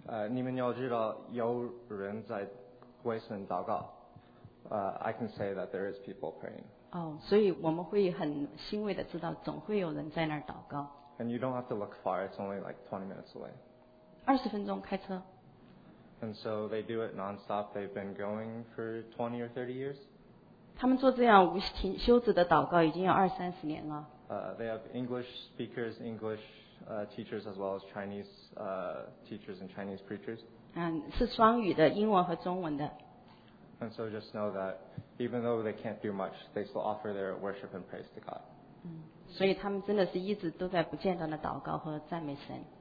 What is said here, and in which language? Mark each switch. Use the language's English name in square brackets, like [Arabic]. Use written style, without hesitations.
[Chinese] 你们要知道有人在为神祷告。 [English] I can say that there is people praying. [Chinese] 哦，所以我们会很欣慰的知道，总会有人在那儿祷告。 [English] And you don't have to look far; it's only like 20 minutes away. [Chinese] 20分钟开车。 [English] And so they do it nonstop. They've been going for 20 or 30 years. [Chinese] 他们做这样无停休止的祷告已经有20-30年了。 [English] They have English speakers, English teachers, as well as Chinese teachers and Chinese preachers. [Chinese] 是双语的，英文和中文的。 [English] And so just know that even though they can't do much, they still offer their worship and praise to God. [Chinese] 所以他们真的是一直都在不间断的祷告和赞美神。